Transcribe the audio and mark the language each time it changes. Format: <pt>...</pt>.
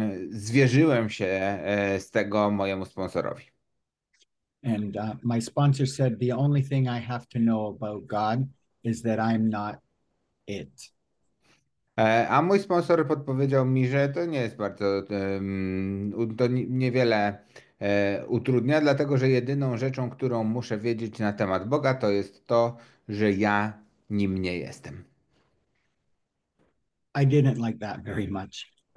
<pl>Zwierzyłem się z tego mojemu sponsorowi.</pl> <en>And my sponsor said, the only thing I have to know about God is that I'm not it.</en> <pl>A mój sponsor podpowiedział mi, że to nie jest bardzo, to niewiele utrudnia, dlatego że jedyną rzeczą, którą muszę wiedzieć na temat Boga, to jest to, że ja nim nie jestem.</pl> <en>I didn't like that very much.</en>